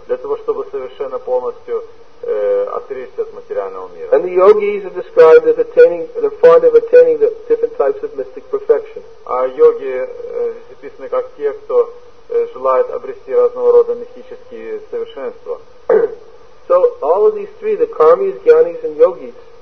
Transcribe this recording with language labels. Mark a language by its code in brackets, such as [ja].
[ru] Для того, чтобы совершенно полностью отречься от материального мира. [en] And the yogis are described as attaining, they're fond of attaining the different types of mystic perfection. [ru] А йоги здесь описаны как те, кто желает обрести разного рода мистические совершенства. [en] So all of these three, the karmis, gyanis and yogis.